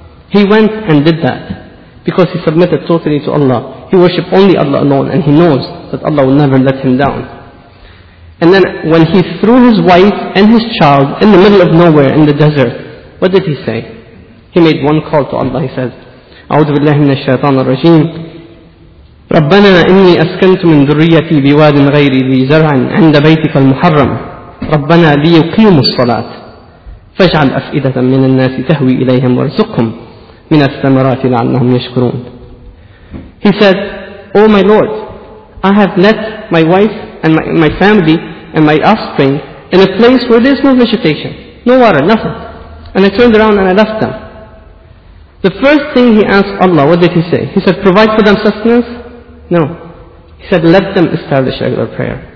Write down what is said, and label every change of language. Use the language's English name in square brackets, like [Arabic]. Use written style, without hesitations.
[English] He went and did that because he submitted totally to Allah. He worshipped only Allah alone, and he knows that Allah will never let him down. And then when he threw his wife and his child in the middle of nowhere in the desert, what did he say? He made one call to Allah. He said, [Arabic] أعوذ بالله من الشيطان الرجيم ربنا إني أسكنت من ذريتي بواد غير ذي زرع عند بيتك المحرم ربنا ليقيموا الصلاة فاجعل أفئدة من الناس تهوي إليهم وارزقهم من الثمرات لعلهم يشكرون. [English] He said, O my Lord, I have let my wife and my family and my offspring in a place where there's no vegetation, no water, nothing. And I turned around and I left them. The first thing he asked Allah, what did he say? He said, provide for them sustenance? No. He said, let them establish regular prayer.